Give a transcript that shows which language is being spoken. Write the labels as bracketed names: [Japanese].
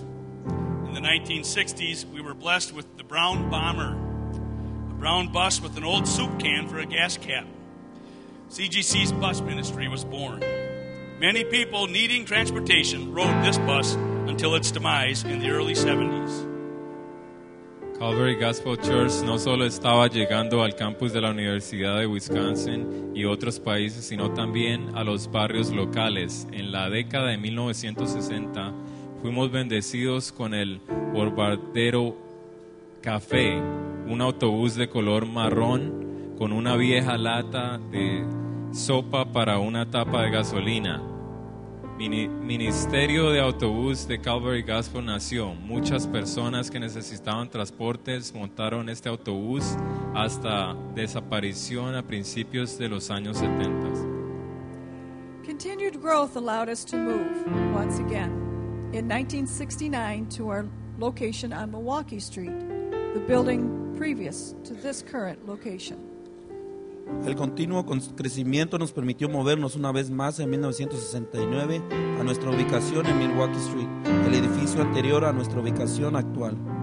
[English] In the 1960s, we were blessed with the Brown Bomber, a brown bus with an old soup can for a gas cap. CGC's bus ministry was born. Many people needing transportation rode this bus until its demise in the early 70s. [Spanish] Calvary Gospel Church no solo estaba llegando al campus de la Universidad de Wisconsin y otros países, sino también a los barrios locales. En la década de 1960, fuimos bendecidos con el Bombardero Café, un autobús de color marrón con una vieja lata de sopa para una tapa de gasolina. Ministerio de Autobús de Calvary Gospel nació. Muchas personas que necesitaban transportes montaron este autobús hasta desaparición a principios de los años 70. [English] Continued growth allowed us to move once again in 1969 to our location on Milwaukee Street, the building previous to this current location. [Spanish] El continuo crecimiento nos permitió movernos una vez más en 1969 a nuestra ubicación en Milwaukee Street, el edificio anterior a nuestra ubicación actual.